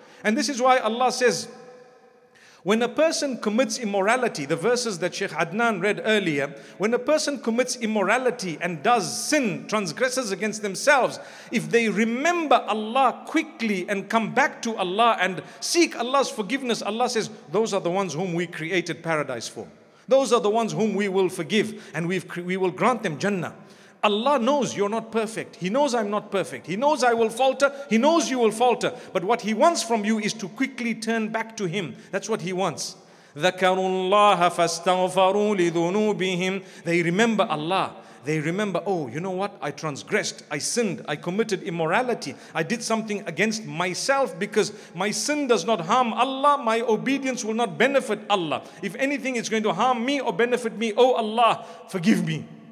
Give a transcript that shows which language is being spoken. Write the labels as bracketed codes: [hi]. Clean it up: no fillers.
[en] And this is why Allah says, when a person commits immorality, the verses that Sheikh Adnan read earlier, when a person commits immorality and does sin, transgresses against themselves, if they remember Allah quickly and come back to Allah and seek Allah's forgiveness, Allah says, those are the ones whom we created paradise for. Those are the ones whom we will forgive and we will grant them Jannah. Allah knows you're not perfect. He knows I'm not perfect. He knows I will falter. He knows you will falter. But what He wants from you is to quickly turn back to Him. That's what He wants. [ar] ذكروا الله فاستغفروا لذنوبهم. [en] They remember Allah. They remember, oh, you know what? I transgressed, I sinned, I committed immorality. I did something against myself because my sin does not harm Allah. My obedience will not benefit Allah. If anything, it's going to harm me or benefit me. Oh Allah, forgive me.